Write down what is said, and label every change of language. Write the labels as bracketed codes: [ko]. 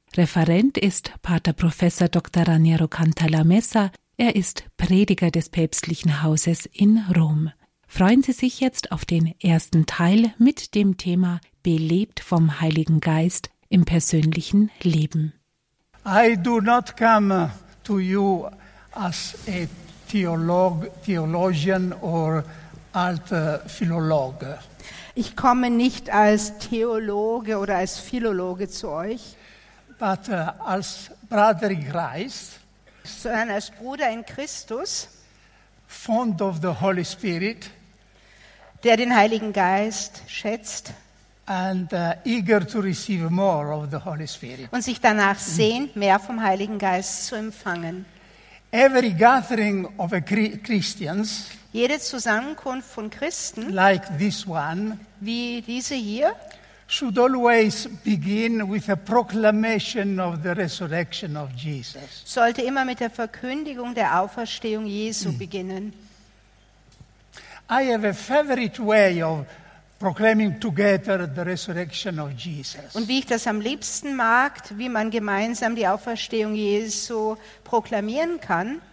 [de] Referent ist Pater Professor Dr. Raniero Cantalamessa. Er ist Prediger des päpstlichen Hauses in Rom. Freuen Sie sich jetzt auf den ersten Teil mit dem Thema Belebt vom Heiligen Geist im persönlichen Leben. [en] I do not come to you as a theologian or [de] alter Philologe. Ich komme nicht als Theologe oder als Philologe zu euch. [en] But as brother in Christ. [de] Sondern als Bruder in Christus. [en] Fond of the Holy Spirit. [de] Der den Heiligen Geist schätzt [en] and, eager to receive more of the Holy Spirit. [de] Und sich danach sehnt, mehr vom Heiligen Geist zu empfangen. [en] Every gathering of a Christians, [de] jede Zusammenkunft von Christen, [en] like this one, [de] wie diese hier, [en] should always begin with a proclamation of the resurrection of Jesus. [de] Sollte immer mit der Verkündigung der Auferstehung Jesu beginnen. [en] I have a favorite way of proclaiming together the resurrection of Jesus. [de] Und wie ich das am liebsten mag, wie man gemeinsam die Auferstehung Jesu proklamieren kann.